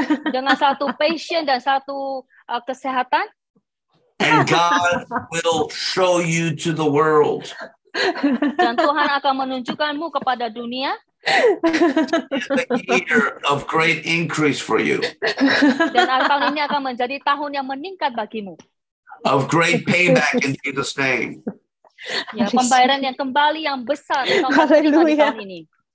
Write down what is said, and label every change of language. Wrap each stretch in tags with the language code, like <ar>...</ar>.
<id>Dengan satu passion dan satu kesehatan.</id> <en>And God will show you to the world.</en> <id>Dan Tuhan akan menunjukkanmu kepada dunia.</id> <en>It's the year of great increase for you.</en> <id>Dan tahun ini akan menjadi tahun yang meningkat bagimu.</id> <en>Of great payback in Jesus' name.</en> <id>Ya, pembayaran yang kembali yang besar tahun ini.</id>